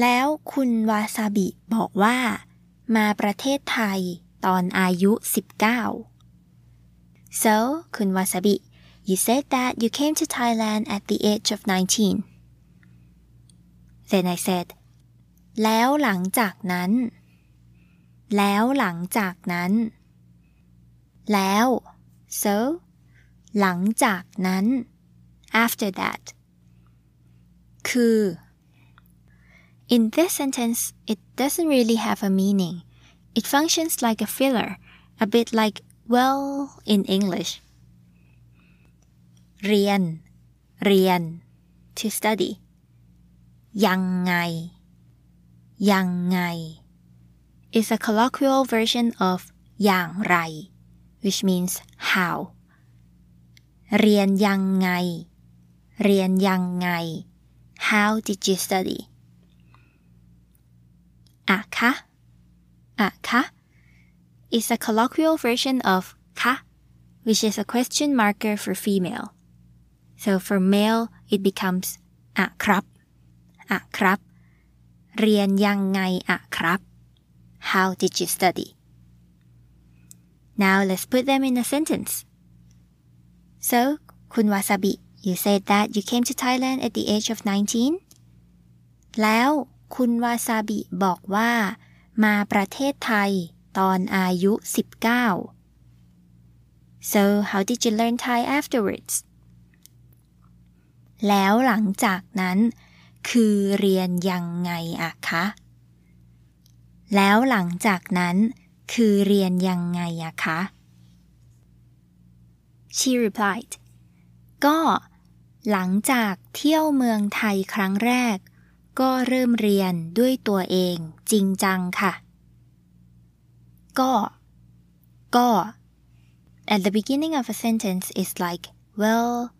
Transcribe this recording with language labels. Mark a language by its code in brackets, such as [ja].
[th] แล้วคุณวาซาบิบอกว่ามาประเทศไทยตอนอายุ19 [en] So, คุณวาซาบิ you said that you came to Thailand at the age of 19 Then I said [th] แล้วหลังจากนั้นแล้วหลังจากนั้นแล้ว [en] So [th] หลังจากนั้น [en] after that [th] คือ [en] in this sentence it doesn't really have a meaning it functions like a filler a bit like well in English [th] เรียน [en] to study [th] ยังไง [en] is a colloquial version of อย่างไร which means how [th] เรียนยังไงเรียนยังไง [en] How did you study? [th] อะคะ [en] is a colloquial version of คะ which is a question marker for female. So for male, it becomes [th] อะครับอะครับเรียนยังไงอะครับ [en] How did you study? Now let's put them in a sentence. So, คุณวาซาบิ you said that you came to Thailand at the age of 19. [th] แล้วคุณวาซาบิบอกว่ามาประเทศไทยตอนอายุ19. [en] So, how did you learn Thai afterwards? [th] แล้วหลังจากนั้นคือเรียนยังไงอะคะแล้วหลังจากนั้นคือเรียนยังไงอะคะ [en] She replied [th] ก็หลังจากเที่ยวเมืองไทยครั้งแรกก็เริ่มเรียนด้วยตัวเองจริงจังค่ะก็ [en] at the beginning of a sentence is like well